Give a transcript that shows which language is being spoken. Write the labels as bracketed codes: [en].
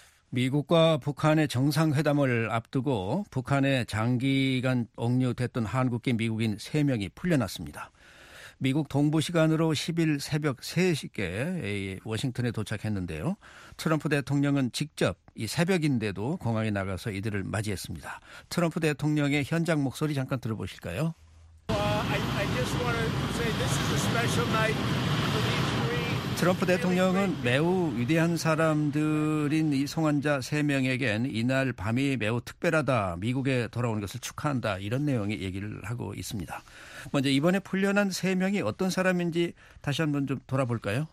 [ko] 미국과 북한의 정상회담을 앞두고 북한에 장기간 억류됐던 한국계 미국인 3명이 풀려났습니다. 미국 동부 시간으로 10일 새벽 3시께 워싱턴에 도착했는데요. 트럼프 대통령은 직접 이 새벽인데도 공항에 나가서 이들을 맞이했습니다. 트럼프 대통령의 현장 목소리 잠깐 들어보실까요? [en] I just want to say this is a special night. [ko] 트럼프 대통령은 매우 위대한 사람들인 이 송환자 3명에겐 이날 밤이 매우 특별하다. 미국에 돌아오는 것을 축하한다. 이런 내용의 얘기를 하고 있습니다. 먼저 이번에 풀려난 3명이 어떤 사람인지 다시 한번 좀 돌아볼까요?